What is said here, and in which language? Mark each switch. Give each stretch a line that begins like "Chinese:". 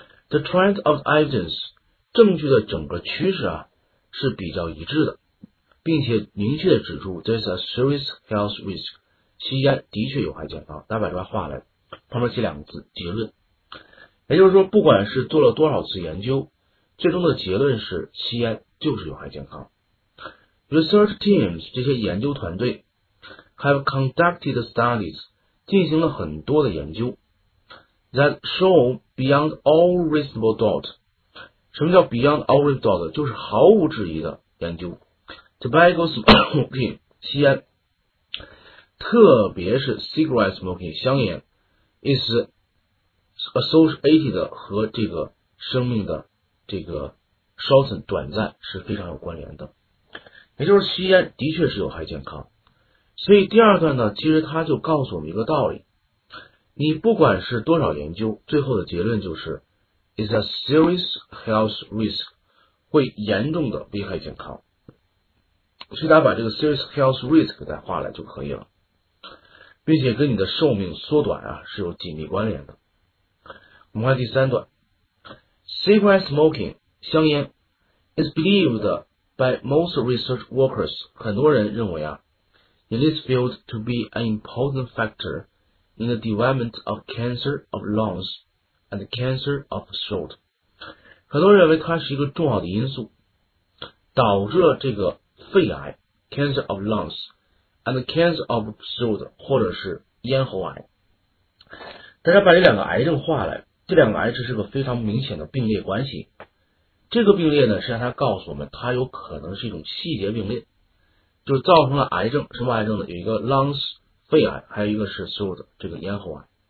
English: The trend of evidence
Chinese: 证据的整个趋势啊是比较一致的。并且明确指出，
English: there's a serious health risk，
Chinese: 吸烟的确有害健康。大家把这段话来，旁边写两个字，结论。也就是说，不管是做了多少次研究，最终的结论是吸烟就是有害健康。
English: Research teams
Chinese: 这些研究团队
English: have conducted studies
Chinese: 进行了很多的研究
English: that show beyond all reasonable doubt。
Chinese: 什么叫
English: beyond all reasonable doubt？
Chinese: 就是毫无质疑的研究。
English: Tobacco smoking
Chinese: 吸烟，特别是
English: cigarette smoking
Chinese: 香烟，
English: is associated
Chinese: 和这个生命的这个 shorten 短暂是非常有关联的。也就是吸烟的确是有害健康，所以第二段呢，其实它就告诉我们一个道理：你不管是多少研究，最后的结论就是
English: is a serious health risk
Chinese: 会严重的危害健康。所以大家把这个
English: serious health risk
Chinese: 给它画来就可以了，并且跟你的寿命缩短啊是有紧密关联的。
English: 我们看第三段，cigarette smoking
Chinese: 香烟
English: is believed by most research workers
Chinese: 很多人认为啊，
English: in this field to be an important factor in the development of cancer of lungs and cancer of throat，
Chinese: 很多人认为它是一个重要的因素，导致了这个。肺癌
English: （cancer of lungs） and cancer of throat，
Chinese: 或者是咽喉癌。大家把这两个癌症画来，这两个癌症是个非常明显的并列关系。这个并列呢，实际上它告诉我们，它有可能是一种细节并列，就是造成了癌症。什么癌症呢？有一个 lungs 肺癌，还有一个是 throat 这个咽喉癌。